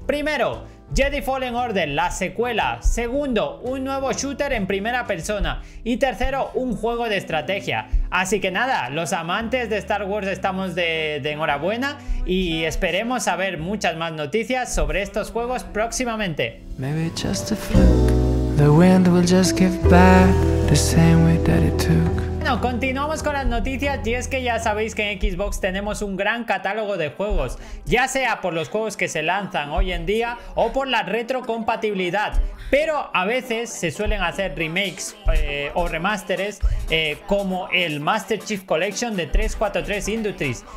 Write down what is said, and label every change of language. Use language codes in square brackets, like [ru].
[es] Primero, Jedi Fallen Order, la secuela. Segundo, un nuevo shooter en primera persona. Y tercero, un juego de estrategia. Así que nada, los amantes de Star Wars estamos de enhorabuena, y esperemos saber muchas más noticias sobre estos juegos próximamente. [en] Maybe just a fluke. The wind will just give back the same way that it took. [es] Bueno, continuamos con las noticias, y es que ya sabéis que en Xbox tenemos un gran catálogo de juegos, ya sea por los juegos que se lanzan hoy en día o por la retrocompatibilidad, pero a veces se suelen hacer remakes o remasteres, como el Master Chief Collection de 343 Industries.